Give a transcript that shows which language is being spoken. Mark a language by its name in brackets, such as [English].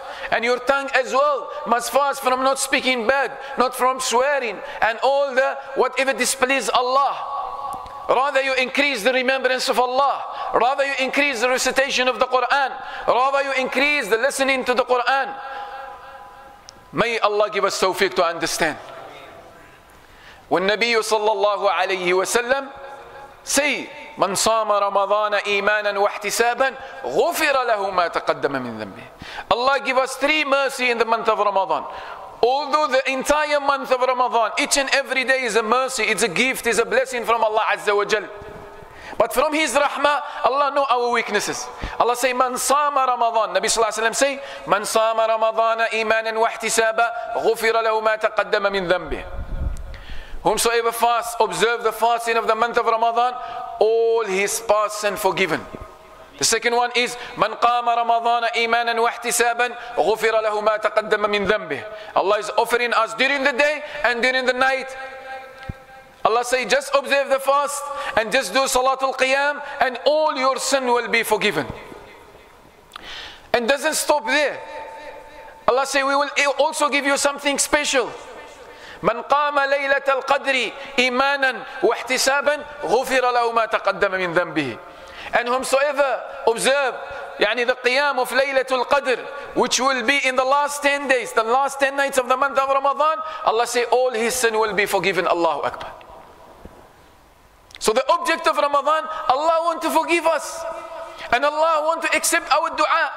[English] And your tongue as well must fast from not speaking bad, not from swearing, and all the whatever displeases Allah. Rather you increase the remembrance of Allah. Rather you increase the recitation of the Quran. Rather you increase the listening to the Quran. May Allah give us tawfiq to understand. When Nabi sallallahu alayhi wa sallam say, [Arabic] من صام رمضان إيمانا واحتسابا غفر له ما تقدم من ذنبه. [English] Allah give us three mercy in the month of Ramadan. Although the entire month of Ramadan, each and every day is a mercy, it's a gift, it's a blessing from Allah Azza wa Jal. But from His Rahmah, Allah know our weaknesses. Allah say, [Arabic] من صام رمضان. [English] Nabi sallallahu alayhi wa sallam say, [Arabic] من صام رمضان إيمانا واحتسابا غفر له ما تقدم من ذنبه. [English] Whomsoever fasts, observe the fasting of the month of Ramadan, all his past sin forgiven. The second one is, [Arabic] من قام رمضان إيمانا واحتسابا غفر له ما تقدم من ذنبه. [English] Allah is offering us during the day and during the night. Allah say, just observe the fast and just do Salatul Qiyam and all your sin will be forgiven. And doesn't stop there. Allah say, we will also give you something special. [Arabic] من قام ليلة القدر إيمانا واحتسابا غفر له ما تقدم من ذنبه. [English] And whomsoever observe يعني the قيام of ليلة القدر, which will be in the last 10 days, the last 10 nights of the month of Ramadan, Allah say all his sin will be forgiven. Allahu Akbar. So the object of Ramadan, Allah want to forgive us and Allah want to accept our dua.